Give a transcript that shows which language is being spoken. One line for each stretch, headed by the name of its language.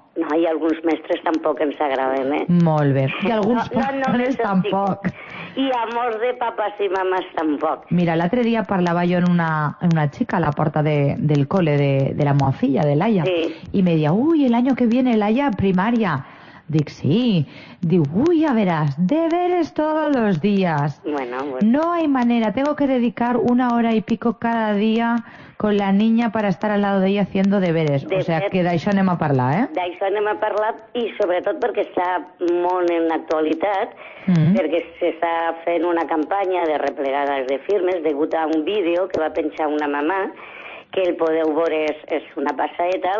Catalan: No, i alguns mestres tampoc ens agraden, eh? Molt bé. I alguns pares tampoc. I amors de papas i mamas tampoc. Mira, l'altre dia parlava jo amb una xica a la porta del cole de la meva filla, de Laia. Sí. I me deia, ui,
Spanish: el año que viene
Catalan: Laia primària. Dic, sí. Diu, ui, ja veràs,
Spanish: deberes todos los días. Bueno. No hay manera, tengo que dedicar una hora y pico cada día con la niña para estar al lado de ella haciendo deberes. De o sea,
Catalan: que d'això anem a parlar, eh? D'això anem a parlar i sobretot perquè està molt en l'actualitat, mm-hmm. perquè s'està fent una campanya de replegades de firmes degut a un vídeo que va penjar una mamà, que el podeu veure, és una passadeta.